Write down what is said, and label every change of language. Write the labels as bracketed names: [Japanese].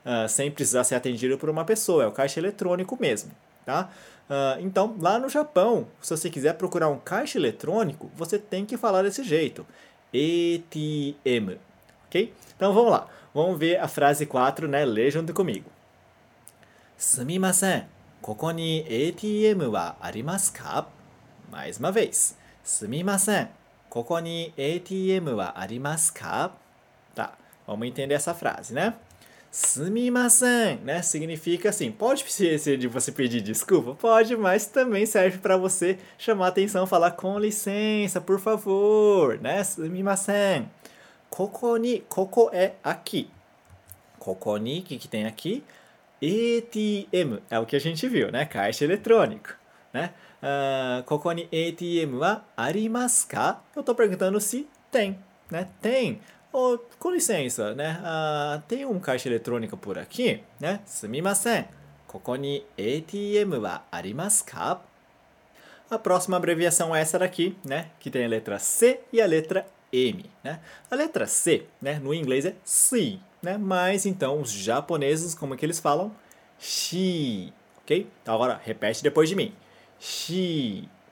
[Portuguese] Sem precisar ser atendido por uma pessoa. É o caixa eletrônico mesmo, tá? Então, lá no Japão, se você quiser procurar um caixa eletrônico, você tem que falar desse jeito. ATM, ok? Então vamos lá, vamos ver a frase 4, né? Lê junto comigo. [Japanese] すみません、ここに ATM はありますか？ [Portuguese] Mais uma vez. [Japanese] すみません、ここに ATM はありますか？ [Portuguese] Tá, vamos entender essa frase, né? [Japanese] すみません、 [Portuguese] né? Significa assim, pode ser de você pedir desculpa? Pode, mas também serve para você chamar atenção, falar com licença, por favor, né? [Japanese] すみません。ここに、ここ [Portuguese] é aqui. [Japanese] ここに、 [Portuguese] o que que tem aqui? ATM, é o que a gente viu, né? Caixa eletrônico, né? [Japanese] ここに ATM はありますか？ [Portuguese] Eu estou perguntando se tem, né? Tem. Oh, com licença, né? Tem um caixa eletrônico por aqui, né? [Japanese] すみません。ここに ATM はありますか？ [Portuguese] A próxima abreviação é essa daqui, né? Que tem a letra C e a letra M, né? A letra C, né? No inglês é C, né? Mas então os japoneses, como é que eles falam? She, ok? Então agora repete depois de mim. She. she.